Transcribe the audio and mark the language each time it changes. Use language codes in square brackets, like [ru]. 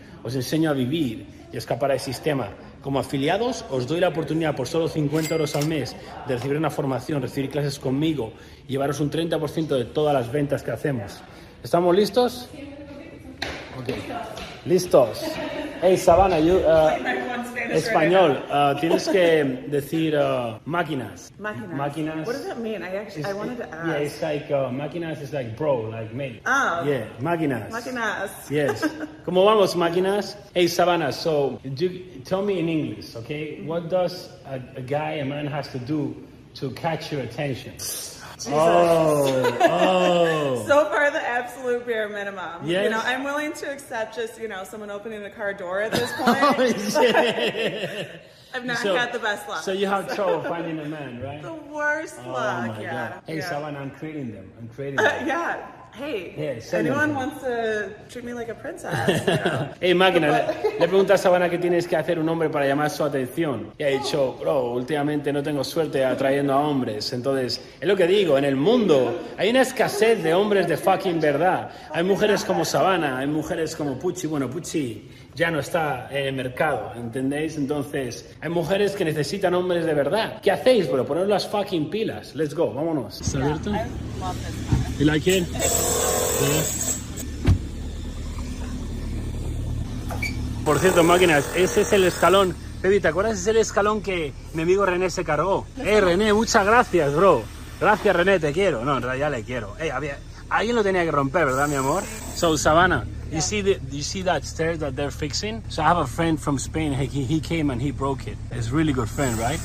[es] Os enseño a vivir y escapar del sistema. Como afiliados, os doy la oportunidad por solo 50 euros al mes de recibir una formación, recibir clases conmigo y llevaros un 30% de todas las ventas que hacemos. ¿Estamos listos? Ok. ¿Listos? Hey, Sabana, you, español, tienes que decir máquinas. [en] Máquinas. What does that mean? I wanted to ask. Yeah, it's like máquinas is like bro, like mate. Oh. Yeah, máquinas. [es] Máquinas. [en] Yes. [es] ¿Cómo vamos, máquinas? [en] Hey, Sabana, so you tell me in English, okay? What does a man has to do to catch your attention? Jesus. Oh, so far the absolute bare minimum. Yes. You know, I'm willing to accept just, you know, someone opening the car door at this point. Oh, yeah. I've not had the best luck. So you have trouble finding a man, right? The worst luck, my yeah. God. Hey, yeah. Savannah, I'm creating them. Yeah. Hey, yeah, anyone wants to treat me like a princess? [es] Hey, máquina, le pregunta a Sabana qué tienes que hacer un hombre para llamar su atención. Y ha dicho, bro, últimamente no tengo suerte atrayendo a hombres. Entonces, es lo que digo, en el mundo hay una escasez de hombres de fucking verdad. Hay mujeres como Sabana, hay mujeres como Pucci. Bueno, Pucci ya no está en el mercado, ¿entendéis? Entonces, hay mujeres que necesitan hombres de verdad. ¿Qué hacéis, bro? Poner las fucking pilas. [en] Let's go, [es] vámonos. ¿Está abierto? [en] You like it? Yeah. [es] Por cierto, máquinas, ese es el escalón. Pepi, ¿te acuerdas? Es el escalón que mi amigo René se cargó. René, muchas gracias, bro. Gracias, René, te quiero. No, en realidad le quiero. Alguien lo tenía que romper, ¿verdad, mi amor? [en] So, Sabana, yeah. you see that stairs that they're fixing? So, I have a friend from Spain. He came and he broke it. It's a really good friend, right?